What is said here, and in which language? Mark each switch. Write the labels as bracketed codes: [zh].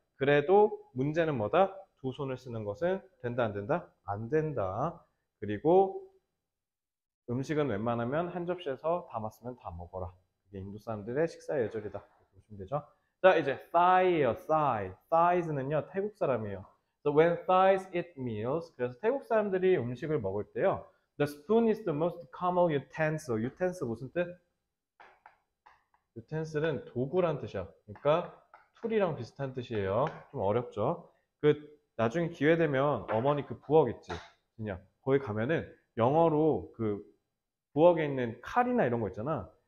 [ko] 그래도 문제는 뭐다? 두 손을 쓰는 것은 된다, 안 된다? 안 된다. 그리고 음식은 웬만하면 한 접시에서 다 맞으면 다 먹어라. 그게 인도 사람들의 식사 예절이다. 보시면 되죠. 자, 이제 thigh예요. thigh. thighs는요, 태국 사람이에요. [en] So when thighs eat meals, [ko] 그래서 태국 사람들이 음식을 먹을 때요, [en] the spoon is the most common utensil. [ko] utensil 무슨 뜻? utensil은 도구란 뜻이야. 그러니까 툴이랑 비슷한 뜻이에요. 좀 어렵죠? 나중에 기회 되면 어머니 그 부엌 있지? 그냥 거기 가면은 영어로 그 부엌에 있는 칼이나 이런 거 있잖아.